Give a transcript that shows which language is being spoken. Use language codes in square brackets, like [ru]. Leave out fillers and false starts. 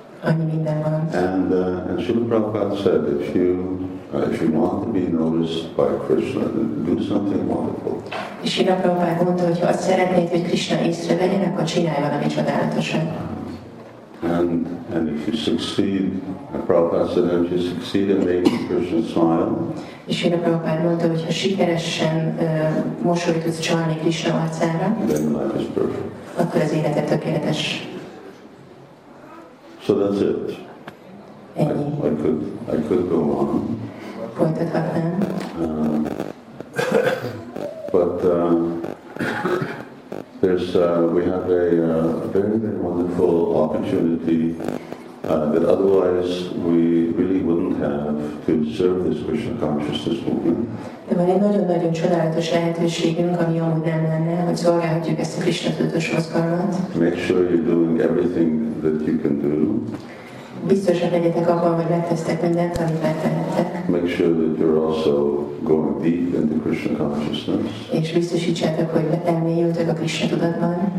[en] And Srila Prabhupada said, if you want to be noticed by Krishna, then do something wonderful. [hu] És Srila Prabhupada mondta, hogy azt szeretnéd, hogy Krishna észre legyen, akkor csinálj valami csodálatosat. [en] And if you succeed, Prabhupada said, if you succeed in making Krishna smile. [hu] És Srila Prabhupada mondta, hogy ha sikeresen mosolyt tudsz csalni Krishna arcára, [en] then life is perfect. [hu] Akkor az életed tökéletes. [en] So that's it. I could go on. [hu] Folytathatnám. [en] We have a very, very wonderful opportunity that otherwise we really wouldn't have to serve this Krishna consciousness movement. [hu] De van egy nagyon-nagyon csodálatos lehetőségünk, ami amúgy nem lenne, hogy szolgálhatjuk ezt a Krishna tudatos mozgalmat. [en] Make sure you're doing everything that you can do. [hu] Biztosan legyetek abban, hogy megtesztek mindent, amit megtehettek. [en] Make sure that you're also going deep into Krishna consciousness. [hu] És biztosítsátok, hogy elmélyültök a Krishna tudatban.